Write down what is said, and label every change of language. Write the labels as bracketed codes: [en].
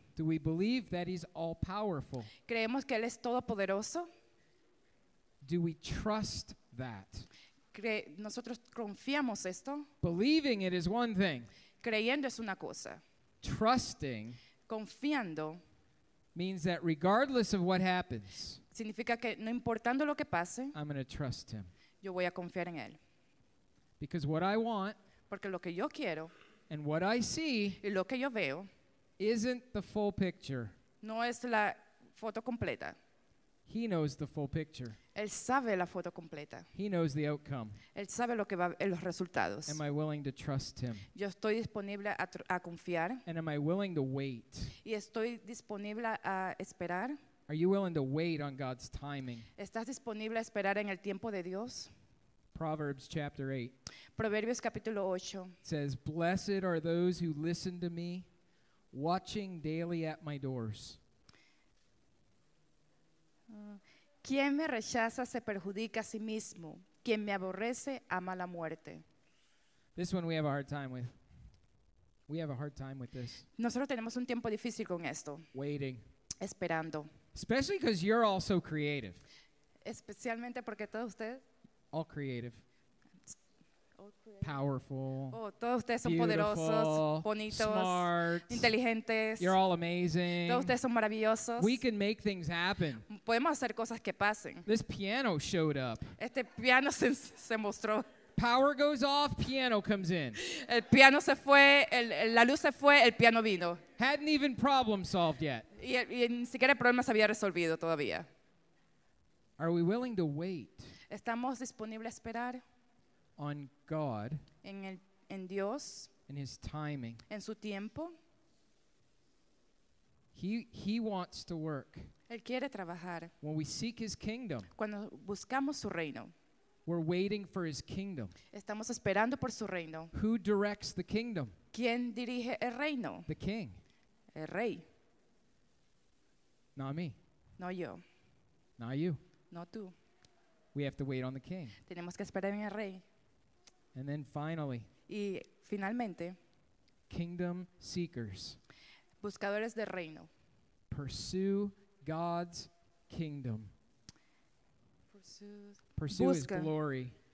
[en] Do we believe that He's all-powerful? [es] Creemos que Él es todopoderoso. [en] Do we trust that? [es] Nosotros confiamos esto. [en] Believing it is one thing. [es] Creyendo es una cosa. [en] Trusting [es] confiando [en] means that regardless of what happens, [es] significa que no importando lo que pase, [en] I'm going to trust him. [es] Yo voy a confiar en él. [en] Because what I want [es] porque lo que yo quiero, [en] and what I see [es] y lo que yo veo, [en] isn't the full picture. [es] No es la foto completa. [en] He knows the full picture. [es] Él sabe la foto completa. [en] He knows the outcome. [es] Él sabe lo que va en los resultados. [en] Am I willing to trust him? [es] Yo estoy disponible a confiar. [en] And am I willing to wait? [es] Y estoy disponible a esperar. [en] Are you willing to wait on God's timing? [es] ¿Estás disponible a esperar en el tiempo de Dios? [en] Proverbs chapter 8. [es] Proverbios capítulo 8. [en] Says, "Blessed are those who listen to me, watching daily at my doors." [es] Quien me rechaza se perjudica a sí mismo. Quien me aborrece ama la muerte. [en] This one we have a hard time with. We have a hard time with this. [es] Nosotros tenemos un tiempo difícil con esto. [en] Waiting. [es] Esperando. [en] Especially because you're all so creative. [es] Especialmente porque todos ustedes. [en] All creative. Powerful. [es] Oh, todos ustedes son poderosos, bonitos, [en] smart, [es] inteligentes. [en] You're all amazing. [es] Todos ustedes son maravillosos. [en] We can make things happen. [es] Podemos hacer cosas que pasen. [en] This piano showed up. [es] Este piano se mostró. [en] Power goes off, piano comes in. [es] El piano se fue, la luz se fue, el piano vino. [en] Hadn't even problem solved yet. [es] Y ni siquiera el problema se había resolvido todavía. [en] Are we willing to wait? [es] ¿Estamos disponibles a esperar? [en] On God, [es] en Dios, [en] in His timing, [es] en su tiempo, [en] He wants to work. [es] Él quiere trabajar. [en] When we seek His kingdom, [es] cuando buscamos su reino, [en] we're waiting for His kingdom. [es] Estamos esperando por su reino. [en] Who directs the kingdom? [es] ¿Quién dirige el reino? [en] The king. [es] El rey. [en] Not me. [es] No yo. [en] Not you. [es] No tú. [en] We have to wait on the king. [es] Tenemos que esperar en el rey. [en] And then finally, [es] y finalmente, [en] kingdom seekers, [es] buscadores de reino, [en] pursue God's kingdom. Pursue [es] busca. [en] His glory.